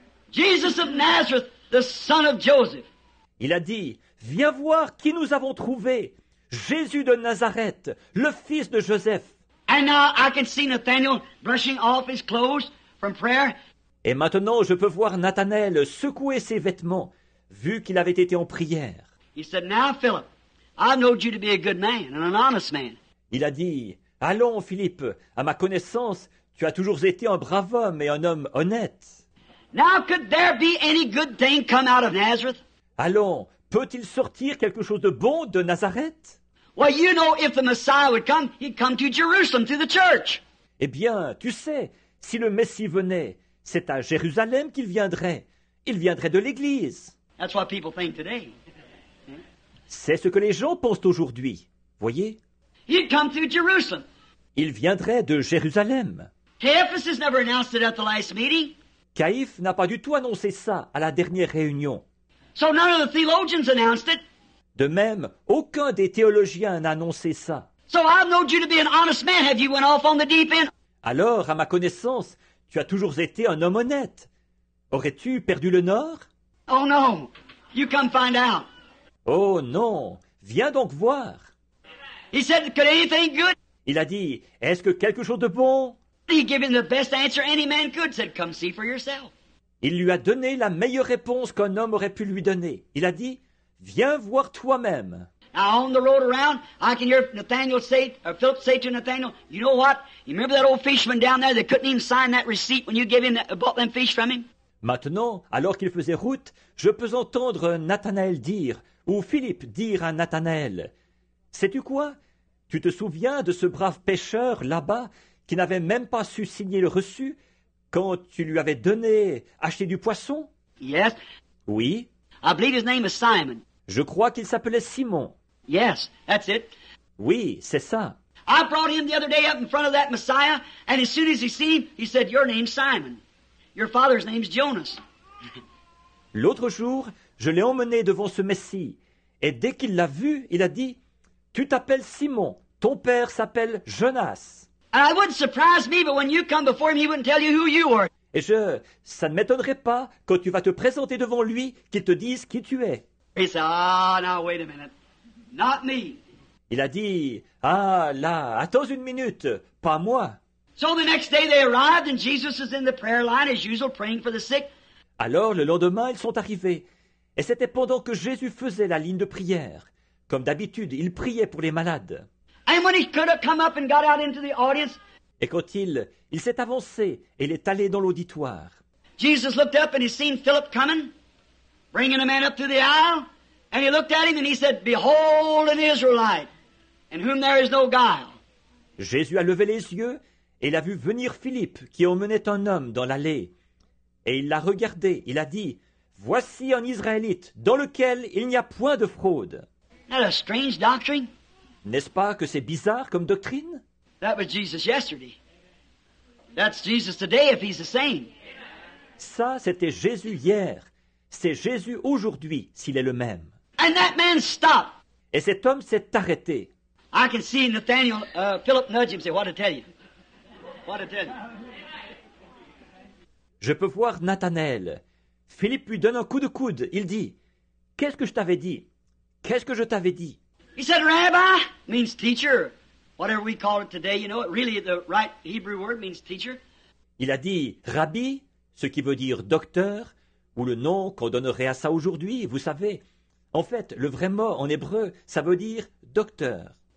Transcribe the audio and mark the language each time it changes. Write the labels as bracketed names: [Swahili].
[English] Jesus of Nazareth, the son of Joseph. [French] Il a dit, viens voir qui nous avons trouvé. Jésus de Nazareth, le fils de Joseph. [English] And now I can see Nathaniel brushing off his clothes from prayer. [French] Et maintenant je peux voir Nathanaël secouer ses vêtements, vu qu'il avait été en prière. [English] He said, now Philip, I've known you to be a good man and an honest man. [French] Il a dit, allons Philippe, à ma connaissance, tu as toujours été un brave homme et un homme honnête. [English] Now could there be any good thing come out of Nazareth? [French] Allons, peut-il sortir quelque chose de bon de Nazareth? [English] Well, you know, if the Messiah would come, he'd come to Jerusalem, to the church. [French] Eh bien, tu sais, si le Messie venait, c'est à Jérusalem qu'il viendrait. Il viendrait de l'Église. [English] That's what people think today. [French] C'est ce que les gens pensent aujourd'hui, voyez? [English] He'd come to Jerusalem. [French] Il viendrait de Jérusalem. [English] Caiaphas has never announced it at the last meeting. [French] Caïphe n'a pas du tout annoncé ça à la dernière réunion. [English] So none of the theologians announced it. [French] De même, aucun des théologiens n'a annoncé ça. [English] So I've known you to be an honest man. Have you went off on the deep end? [French] Alors, à ma connaissance, tu as toujours été un homme honnête. Aurais-tu perdu le nord? [English] Oh no, you come find out. [French] Oh non, viens donc voir. [English] He said, could anything good? [French] Il a dit, est-ce que quelque chose de bon? [English] He gave him the best answer any man could. Said, come see for yourself. [French] Il lui a donné la meilleure réponse qu'un homme aurait pu lui donner. Il a dit, viens voir toi-même. [English] Now on the road around, I can hear Nathaniel say, or Philip say to Nathaniel, you know what? You remember that old fisherman down there that couldn't even sign that receipt when you gave him that, bought them fish from him? [French] Maintenant, alors qu'il faisait route, je peux entendre Nathanaël dire, ou Philippe dire à Nathanaël, sais-tu quoi? Tu te souviens de ce brave pêcheur là-bas qui n'avait même pas su signer le reçu quand tu lui avais donné, acheté du poisson? [English] Yes. [French] Oui. [English] I believe his name is Simon. [French] Je crois qu'il s'appelait Simon. [English] Yes, that's it. [French] Oui, c'est ça. [English] I brought him the other day up in front of that Messiah, and as soon as he seen him, he said, your name's Simon. Your father's name's Jonas. [French] L'autre jour, je l'ai emmené devant ce Messie, et dès qu'il l'a vu, il a dit, tu t'appelles Simon, ton père s'appelle Jonas. [English] And it wouldn't surprise me, but when you come before him, he wouldn't tell you who you are. [French] Et je, ça ne m'étonnerait pas quand tu vas te présenter devant lui qu'il te dise qui tu es. [English] He said, ah, now wait a minute, not me. [French] Il a dit, ah là, attends une minute, pas moi. [English] So the next day they arrived and Jesus is in the prayer line as usual praying for the sick. [French] Alors le lendemain ils sont arrivés et c'était pendant que Jésus faisait la ligne de prière. Comme d'habitude, il priait pour les malades. [English] And when he could have come up and got out into the audience. [French] Et quand il s'est avancé et il est allé dans l'auditoire. [English] Jesus looked up and he seen Philip coming, bringing a man up through the aisle. And he looked at him and he said, behold an Israelite, in whom there is no guile. [French] Jésus a levé les yeux et il a vu venir Philippe qui emmenait un homme dans l'allée. Et il l'a regardé, il a dit, voici un Israélite dans lequel il n'y a point de fraude. [English] Isn't that a strange doctrine? [French] N'est-ce pas que c'est bizarre comme doctrine? [English] That was Jesus yesterday. That's Jesus today if he's the same. [French] Ça, c'était Jésus hier. C'est Jésus aujourd'hui s'il est le même. [English] And that man stopped. [French] Et cet homme s'est arrêté. [English] I can see Nathaniel, Philip nudge him and say, what to tell you? What to tell you? [French] Je peux voir Nathanaël. Philippe lui donne un coup de coude. Il dit, qu'est-ce que je t'avais dit? Qu'est-ce que je t'avais dit? [English] He said, Rabbi means teacher. Whatever we call it today, you know, really the right Hebrew word means teacher. [French] Il a dit, Rabbi, ce qui veut dire docteur, ou le nom qu'on donnerait à ça aujourd'hui, vous savez. En fait, le vrai mot en hébreu, ça veut dire docteur.